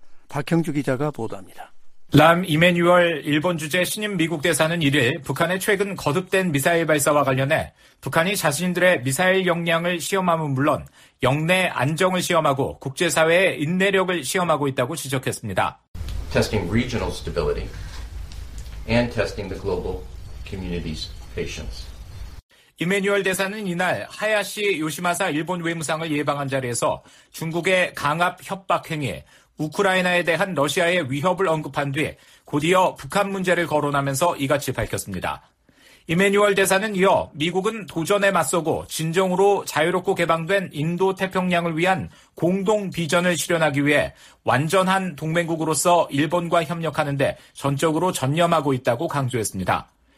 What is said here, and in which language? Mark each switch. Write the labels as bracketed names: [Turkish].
[Korean] 박형주 기자가 보도합니다. 람 이메뉴얼 일본 주재 신임 미국 대사는 1일 북한의 최근 거듭된 미사일 발사와 관련해 북한이 자신들의 미사일 역량을 시험함은 물론 역내 안정을 시험하고 국제사회의 인내력을 시험하고 있다고 지적했습니다. [English] Testing regional stability and testing the global community's patience. [Korean] 이메뉴얼 대사는 이날 하야시 요시마사 일본 외무상을 예방한 자리에서 중국의 강압 협박 행위에 우크라이나에 대한 러시아의 위협을 언급한 뒤 곧이어 북한 문제를 거론하면서 이같이 밝혔습니다. 이메뉴얼 대사는 이어 미국은 도전에 맞서고 진정으로 자유롭고 개방된 인도태평양을 위한 공동 비전을 실현하기 위해 완전한 동맹국으로서 일본과 협력하는 데 전적으로 전념하고 있다고 강조했습니다.